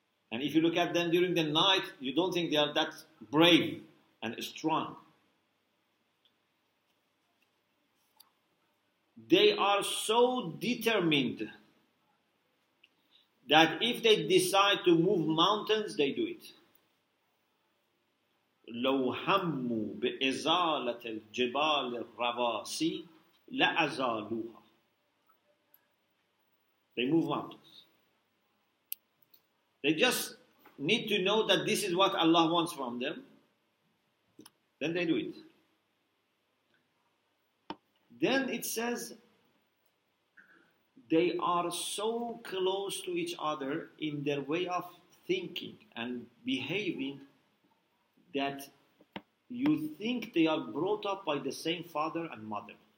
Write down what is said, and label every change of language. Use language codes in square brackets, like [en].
[en] And if you look at them during the night, you don't think they are that brave and strong. They are so determined that if they decide to move mountains, they do it. [ar] لو هموا بإزالة الجبال الرواسي لأزالوها. [en] They move mountains. They just need to know that this is what Allah wants from them. Then they do it. Then it says, they are so close to each other in their way of thinking and behaving that you think they are brought up by the same father and mother.